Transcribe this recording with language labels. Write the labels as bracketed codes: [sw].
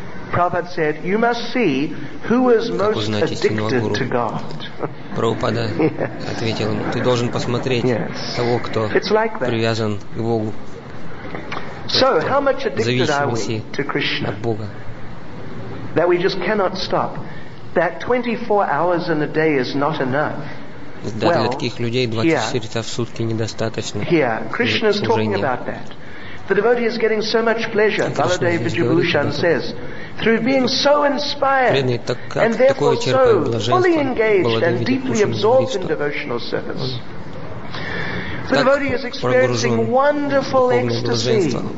[en] Prabhupada said, you must see who is most addicted to God. [ru] Прабхупада ответил ему: ты должен посмотреть того, кто привязан к Богу. [en] So, how much addicted are we to Krishna? That we just cannot stop. That 24 hours in a day is not enough. [ru] Для таких людей 24 часа в сутки недостаточно. [en] Here, Krishna is talking about that. The devotee is getting so much pleasure. Baladeva Vidyabhushan says, through being so inspired and therefore so fully engaged and deeply absorbed in devotional service, the devotee is experiencing wonderful ecstasy.